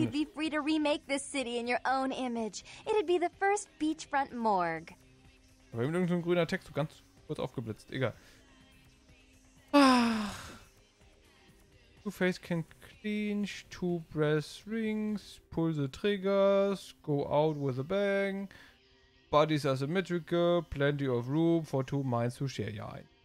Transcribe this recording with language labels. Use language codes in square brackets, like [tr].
[en] You'd be free to remake this city in your own image. It'd be the first beachfront morgue. [de] Aber eben irgendein grüner Text, so ganz kurz aufgeblitzt. Egal. [en] Two face can clinch, two brass rings, pull the triggers, go out with a bang. Bodies are symmetrical, plenty of room for two minds to share your eye.